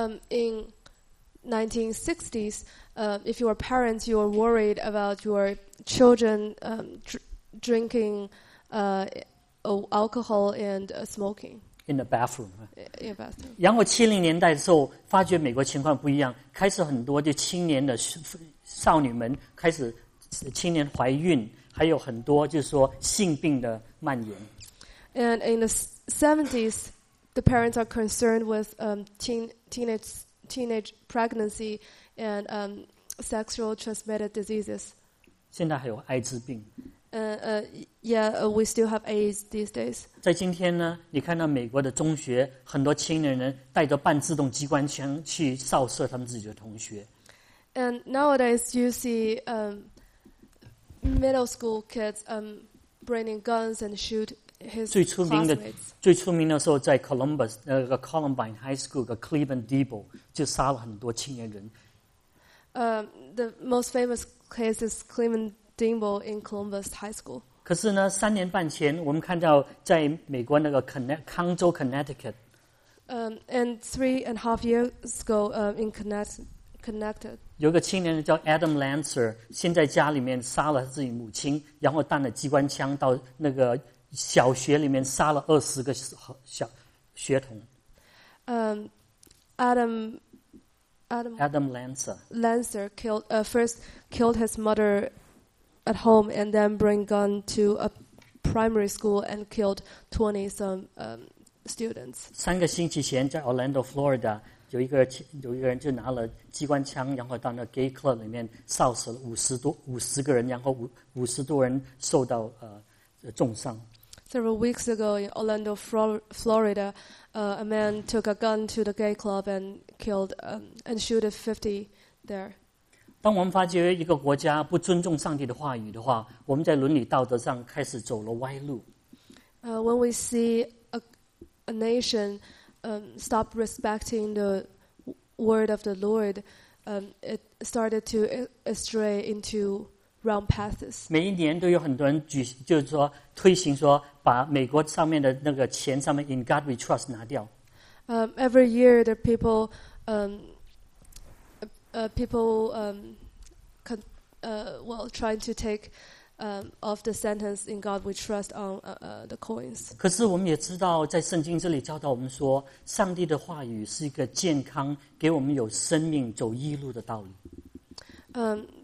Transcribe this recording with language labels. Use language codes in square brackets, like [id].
[en] In 1960s, if you were parents, you were worried about your children drinking alcohol and smoking. In the bathroom. In bathroom. [zh] 然后70年代的时候，发觉美国情况不一样，开始很多就青年的少女们开始青年怀孕，还有很多就是说性病的蔓延。 [en] And in the 70s, the parents are concerned with teenage pregnancy and sexual transmitted diseases. [zh] 现在还有艾滋病。 [en] We still have AIDS these days. [zh] 在今天呢，你看到美国的中学，很多青年人带着半自动机关枪去扫射他们自己的同学。 [en] And nowadays, you see middle school kids bringing guns and shoot his [zh] 最出名的时候在 Columbus 那个 Columbine High School 的 Cleveland Debo 就杀了很多青年人。 [en] The most famous case is Cleveland Debo in Columbus High School. [zh] 可是呢，三年半前，我们看到在美国那个康州 Connecticut. [en] And 3.5 years ago, in Connecticut. [zh] 有个青年叫 Adam Lancer， 先在家里面杀了自己母亲，然后带了机关枪到那个小学里面杀了20个小学童。 [en] Adam Lancer. Lancer killed first killed his mother at home and then bring gun to a primary school and killed 20-some students. [zh] 3个星期前在 Orlando, Florida。有一个人就拿了机关枪，然后到那 [en] gay club [zh] 里面扫射了50多个人，然后50多人受到重伤。 [en] Several weeks ago in Orlando, Florida, a man took a gun to the gay club and killed and shot 50 there. [zh] 当我们发觉一个国家不尊重上帝的话语的话，我们在伦理道德上开始走了歪路。 [en] When we see a nation stop respecting the word of the Lord, it started to stray into wrong paths. [zh] 每一年都有很多人就是说推行说把美国上面的那个钱上面 [en] In God We Trust [zh] 拿掉。 [en] Every year the people trying to take of the sentence in God we trust on the coins. [zh] 可是我们也知道，在圣经这里教导我们说，上帝的话语是一个健康，给我们有生命走义路的道理。